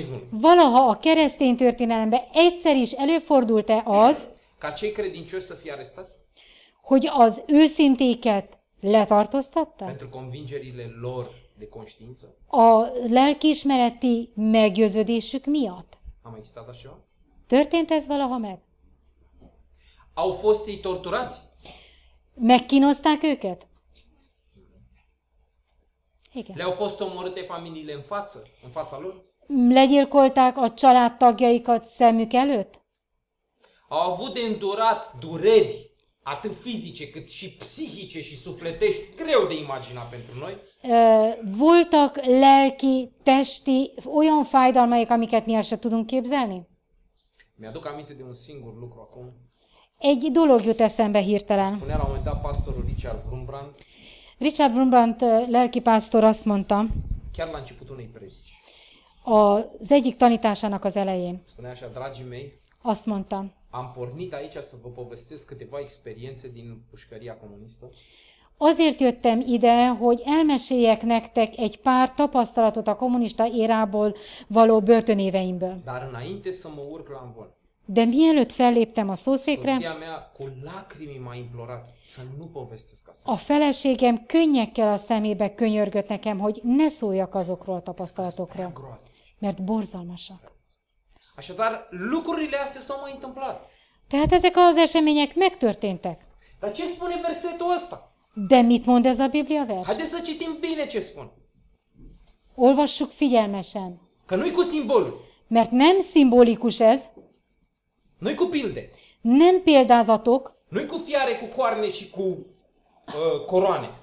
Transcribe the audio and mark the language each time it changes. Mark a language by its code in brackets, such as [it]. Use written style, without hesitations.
[hu] Valaha a keresztény történelemben egyszer is előfordult-e az, [ro] ca cei credincioși să fie arestați? [hu] Hogy az őszintéket letartóztatta? [ro] Pentru convingerile lor de conștiință? [hu] A lelkiismereti meggyőződésük miatt? [ro] A mai existat așa? [hu] Történt ez valaha meg? [ro] Au fost ei torturați? [hu] Megkínozták őket? Igen. [ro] Le-au fost omorâte familiile în față, în fața lor? [hu] Legyilkolták a családtagjaikat szemük előtt? [ro] Au avut de îndurat dureri atât fizice, cât și psihice și sufletești, greu de imaginat pentru noi. [hu] Voltak lelki, testi, olyan fájdalmaik, amiket mi el se tudunk képzelni? [ro] Mi-aduc aminte de un singur lucru acum. [hu] Egy dolog jut eszembe hirtelen. [ro] Spunea la un moment dat pastorul Richard Wurmbrand. [hu] Richard Wurmbrand, lelki pastor, azt mondta. [ro] Chiar la început unei predici. [hu] Az egyik tanításának az elején. [ro] Spunea așa, dragii mei. [hu] Azt mondta. [ro] Am pornit aici să vă povestesc câteva experiențe din pușcăria comunistă. [hu] Azért jöttem ide, hogy elmeséljek nektek egy pár tapasztalatot a kommunista érából való börtönéveimből. [ro] Dar înainte să mă urc la învol. [hu] De mielőtt felléptem a szószékre, [ro] soția mea cu lacrimi m-a implorat să nu povestesc asta. [hu] A feleségem könnyekkel a szemébe könyörgött nekem, hogy ne szóljak azokról a tapasztalatokról, mert borzalmasak. [ro] Așadar, lucrurile astea s-au mai întâmplat. [hu] Tehát ezek az események megtörténtek. [ro] Dar ce spune versetul ăsta? [hu] De mit mond ez a Biblia vers? [ro] Haideți să citim bine ce spun. [hu] Olvassuk figyelmesen. [ro] Că nu-i cu simbolul. [hu] Mert nem szimbolikus ez. [ro] Nu-i cu pilde. [hu] Nem példázatok. [ro] Nu-i cu fiare, cu coarne și cu coroane.